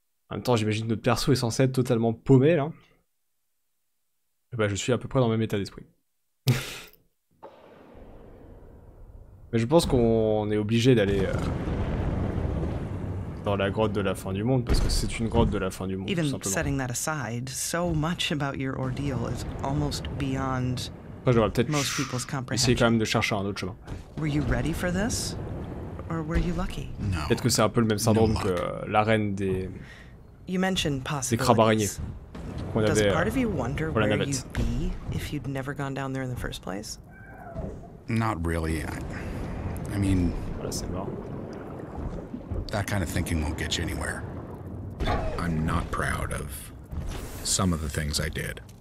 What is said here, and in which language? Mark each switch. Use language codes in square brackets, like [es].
[fr] En même temps, j'imagine que notre perso est censé être totalement paumé, là. Et bah, je suis à peu près dans le même état d'esprit. Mais je pense qu'on est obligé d'aller dans la grotte de la fin du monde parce que c'est une grotte de la fin du monde. [en] Even setting that aside, so much about your ordeal is almost beyond. [fr] Après, j'aurais peut-être essayé quand même de chercher un autre chemin. [en] Were you ready for this, or were you lucky? [fr] Peut-être que c'est un peu le même syndrome que la reine des. [en] You mentioned possibilities. [fr] Des crabes araignées. Qu'on avait, [en] Does part of you wonder where you'd be if you'd never gone down there in the first place? Not really. I mean, that kind of thinking won't get you anywhere. I'm not proud of some of the things I did.